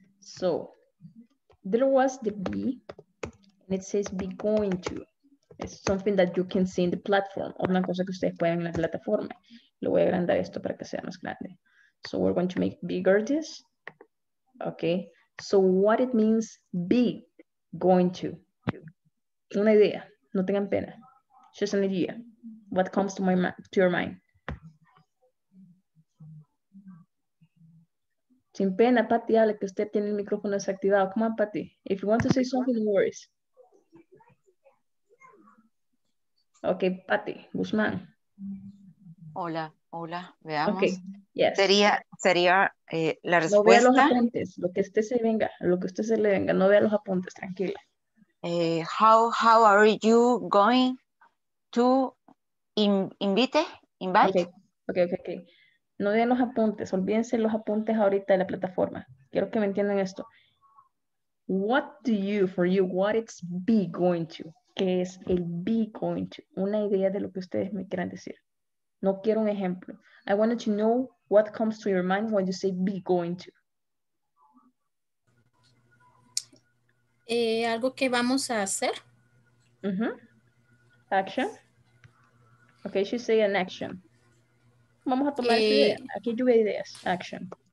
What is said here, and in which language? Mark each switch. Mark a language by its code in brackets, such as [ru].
[en] So there was the B and it says be going to. It's something that you can see in the platform. [es] Una cosa que ustedes pueden en la plataforma. Lo voy a agrandar esto para que sea más grande. [en] So we're going to make bigger this. Okay. So what it means, be going to. [es] Una idea, no tengan pena. [en] Just an idea. What comes to my to your mind? [es] Sin pena, Patty, hable que usted tiene el micrófono desactivado. [en] Come on, Patty. If you want to say something, no worries. Okay, Patty, Guzmán. [es] Hola, hola, veamos. [en] Okay. Yes. [es] Sería la respuesta. No vea los apuntes, lo que usted se venga, lo que usted se le venga, no vea los apuntes, tranquila. [en] How are you going to invite? Okay. [es] No vean los apuntes, olvídense los apuntes ahorita de la plataforma. Quiero que me entiendan esto. [en] What do you, for you, what it's be going to? [es] ¿Qué es el be going to? Una idea de lo que ustedes me quieran decir. No quiero un ejemplo. [en] I wanted to know what comes to your mind when you say be going to. [es] Algo que vamos a hacer. Mm-hmm. [en] Action. Okay, she say an action. [es] Vamos a tomar esta idea. Aquí lluvia ideas. Action.